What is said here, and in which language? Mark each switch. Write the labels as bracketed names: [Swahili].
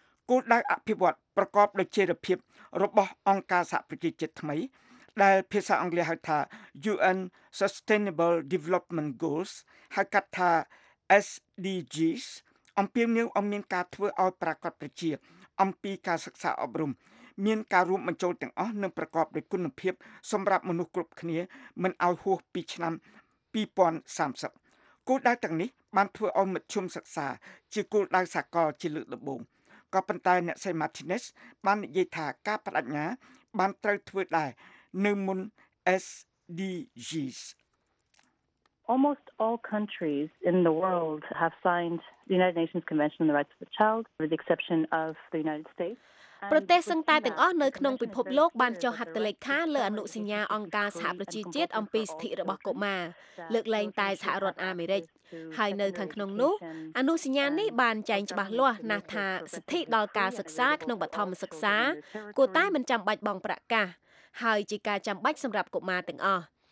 [Khmer] គោលដៅអភិវឌ្ឍប្រកបដោយចីរភាពរបស់អង្គការសហប្រជាជាតិថ្មីដែលភាសាអង់គ្លេសហៅថា UN Sustainable Development Goals ហៅកាត់ថា SDGs អំពីនូវអំមានការធ្វើឲ្យប្រកបប្រជាអំពីការសិក្សាអប់រំមានការរួមបញ្ចូលទាំងអស់និងប្រកបដោយគុណភាពសម្រាប់មនុស្សគ្រប់គ្នាមិនឲ្យហួសពីឆ្នាំ 2030គោលដៅទាំងនេះបានធ្វើឲ្យមជ្ឈមសិក្សាជាគោលដៅសកលជាលើកដំបូងក៏ប៉ុន្តែអ្នកសេម៉ាទីណេសបាននិយាយថាការបដិញ្ញាបានត្រូវធ្វើដែរនៅមុន SDGs [English] Almost all countries in the world have signed the United Nations Convention on the Rights of the Child with the exception of the United States [Khmer] ប្រទេសទាំងអស់នៅក្នុងពិភពលោកបានចុះហត្ថលេខាលើអនុសញ្ញាអង្គការសហប្រជាជាតិអំពីសិទ្ធិរបស់កុមារលើកលែងតែសហរដ្ឋអាមេរិកហើយនៅខាងក្នុងនោះអនុសញ្ញានេះបានចែងច្បាស់លាស់ណាស់ថាសិទ្ធិដល់ការសិក្សាក្នុងបឋមសិក្សាគួរតែមិនចាំបាច់បង់ប្រាក់កាសហើយជាការចាំបាច់សម្រាប់កុមារទាំងអស់